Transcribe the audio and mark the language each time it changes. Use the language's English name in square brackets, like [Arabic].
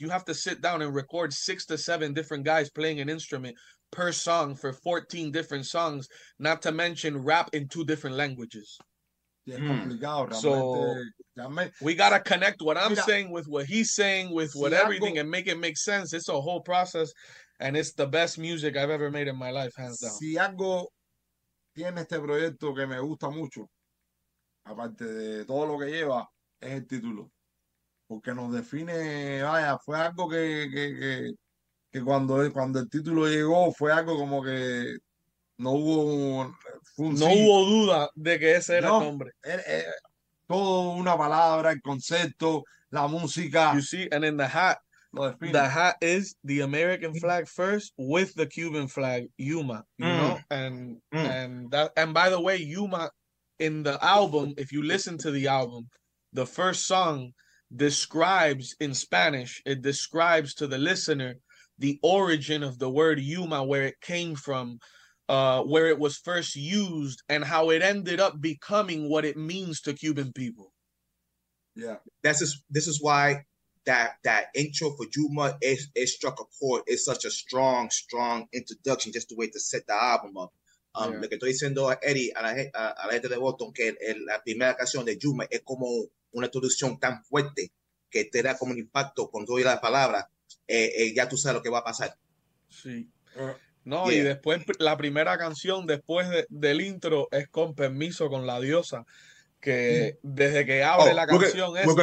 [English] You have to sit down and record 6 to 7 different guys playing an instrument per song for 14 different songs, not to mention rap in 2 different languages. So we got to connect what I'm saying with what he's saying with what everything and make it make sense. It's a whole process, and it's the best music I've ever made in my life, hands down. [Spanish] Si algo tiene este proyecto que me gusta mucho, aparte de todo lo que lleva, es el título. Porque nos define, vaya, fue algo que cuando el título llegó, fue algo como que hubo duda de que ese era el nombre. Todo una palabra, el concepto, la música. [English] You see, and in the hat, the hat is the American flag first with the Cuban flag, Yuma. And by the way, Yuma, in the album, if you listen to the album, the first song, describes in Spanish, it describes to the listener the origin of the word yuma, where it came from, where it was first used, and how it ended up becoming what it means to Cuban people. Yeah, this is why that intro for Yuma is struck a chord. It's such a strong introduction, just the way to set the album up. [Spanish] Lo que estoy diciendo a Eddie, a la gente de Boston, que la primera canción de Yuma es como una introducción tan fuerte que te da como un impacto cuando oye la palabra, ya tú sabes lo que va a pasar. Sí. No, [English] yeah. [Spanish] Y después la primera canción después del intro es Con Permiso, con la diosa, que desde que abre la canción